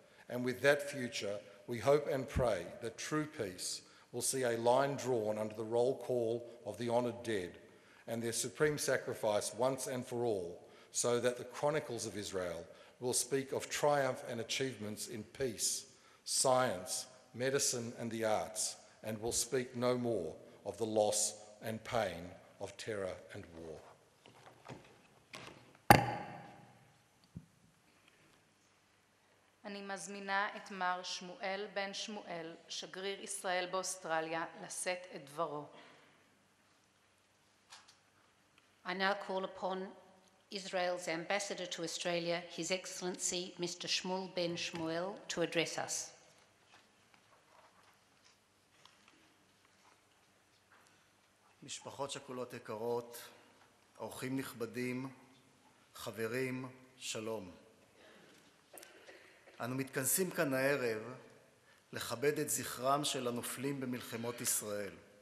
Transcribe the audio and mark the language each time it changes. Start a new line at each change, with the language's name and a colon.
English: And with that future, we hope and pray that true peace will see a line drawn under the roll call of the honoured dead and their supreme sacrifice once and for all, so that the chronicles of Israel will speak of triumph and achievements in peace, science, medicine and the arts, and will speak no more of the loss and pain of terror and war.
Hebrew: אני מזמינה את מר שמואל בן שמואל, שגריר ישראל באוסטרליה, לשאת את דברו.
English: I now call upon Israel's ambassador to Australia, His Excellency Mr. Shmuel Ben Shmuel, to address us.
Hebrew: משפחות שכולות יקרות, אורחים נכבדים, חברים, שלום. אנו מתכנסים כאן הערב לכבד את זכרם של הנופלים במלחמות ישראל.